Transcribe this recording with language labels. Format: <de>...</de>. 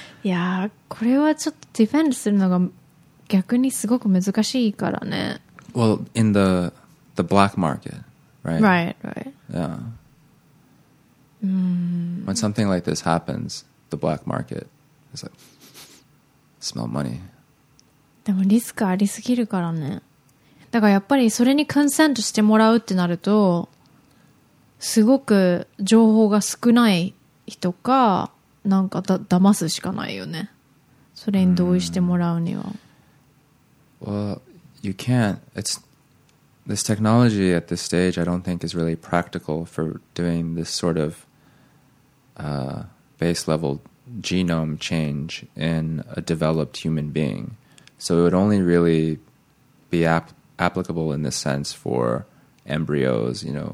<ja>Yeah, これはちょっと defend するのが逆にすごく難しいからね。</ja> <en>Well, in the black market, right? Right, right. Yeah.、 Mm. When something like this happens, the black market is like, smell money.</en> <ja>でもリスクありすぎるからね。だからやっぱりそれにコンセントしてもらうってなるとすごく情報が少ない人かなんかだ騙すしかないよね、それに同意してもらうには。</ja> <en>Well, you can't. It's this technology at this stage I don't think is really practical for doing this sort of、base level genome change in a developed human being. So it would only really be applicable in this sense for embryos, you know,、</en>